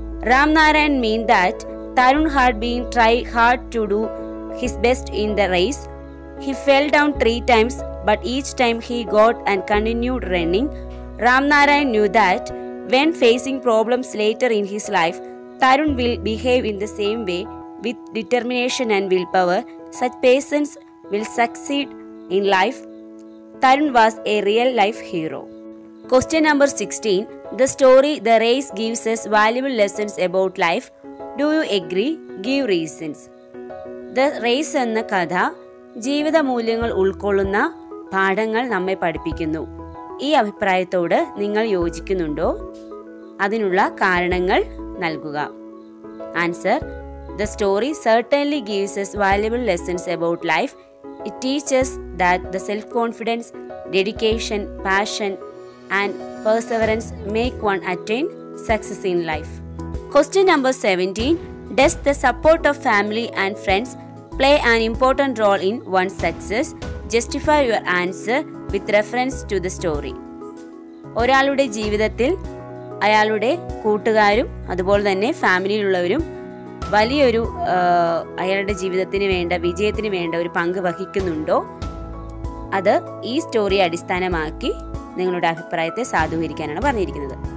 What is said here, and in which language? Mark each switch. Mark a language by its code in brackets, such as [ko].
[en] Ram Narayan mean that Tarun had been try hard to do his best in the race. He fell down 3 times, but each time he got and continued running. Ram Narayan knew that when facing problems later in his life, Tarun will behave in the same way with determination and will power. Such persons will succeed in life. Tarun was a real life hero. Question number 16. The story The Race gives us valuable lessons about life. Do you agree? Give reasons. [ml] The Race എന്ന കഥ ജീവിത മൂല്യങ്ങൾ ഉൾക്കൊള്ളുന്ന പാഠങ്ങൾ നമ്മെ പഠിപ്പിക്കുന്നു. ഈ അഭിപ്രായത്തോട് നിങ്ങൾ യോജിക്കുന്നുണ്ടോ? അതിനുള്ള കാരണങ്ങൾ നൽകുക. [en] Answer: The story certainly gives us valuable lessons about life. It teaches that the self-confidence, dedication, passion and perseverance make one attain success in life. Question number 17. Does the support of family and friends play an important role in one's success? Justify your answer with reference to the story. [ml] ഒരാളുടെ ജീവിതത്തിൽ അയാളുടെ കൂട്ടുകാരും അതുപോലെ തന്നെ ഫാമിലിയിലുള്ളവരും വലിയൊരു അയാളുടെ ജീവിതത്തിന് വേണ്ട, വിജയത്തിന് വേണ്ട ഒരു പങ്ക് വഹിക്കുന്നുണ്ടോ? അത് ഈ സ്റ്റോറിയെ അടിസ്ഥാനമാക്കി നിങ്ങളുടെ അഭിപ്രായത്തെ സാധൂകരിക്കാനാണ് പറഞ്ഞിരിക്കുന്നത്.